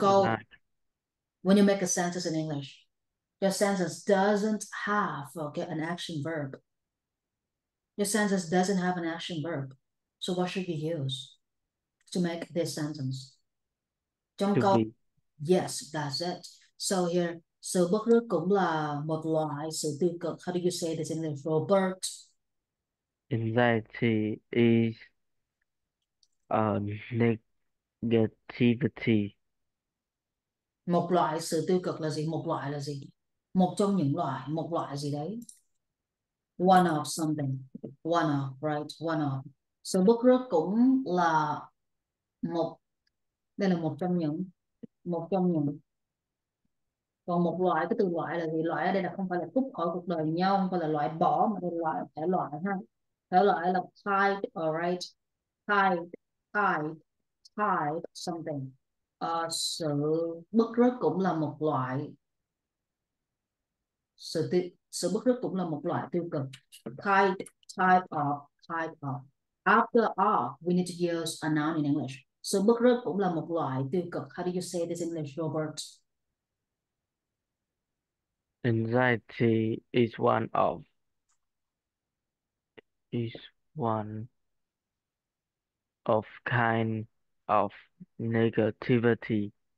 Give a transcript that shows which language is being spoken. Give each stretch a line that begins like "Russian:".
Vietnamese: câu,
English: when you make a sentence in English, your sentence doesn't have, okay, an action verb. Your sentence doesn't have an action verb. So what should you use to make this sentence?
Vietnamese: Trong
English: to
Vietnamese: câu,
English: be. yes, that's it. So here,
Vietnamese: sự bức rứt cũng là một loại sự tiêu cực.
English: How do you say this in English, Robert? Anxiety is negativity.
Vietnamese: Một loại sự tiêu cực là gì? Một loại là gì? Một trong những loại, một loại gì đấy?
English: One of something. One of, right? One of.
Vietnamese: Sự bức rứt cũng là một, đây là một trong những, một trong những. Còn một loại, cái từ loại là gì? Loại ở đây là không phải là rút khỏi cuộc đời nhau, không phải là loại bỏ, mà đây là loại, thể loại ha. Thể loại là
English: type, alright? Type, type, type something.
Vietnamese: Sự bức rứt cũng là một loại sự bức rứt cũng là một loại tiêu cực.
English: Type of after of we need to use a noun in English.
Vietnamese: Sự bức rứt cũng là một loại tiêu cực.
English: How do you say this in English, Robert? Anxiety is one of kind of negativity.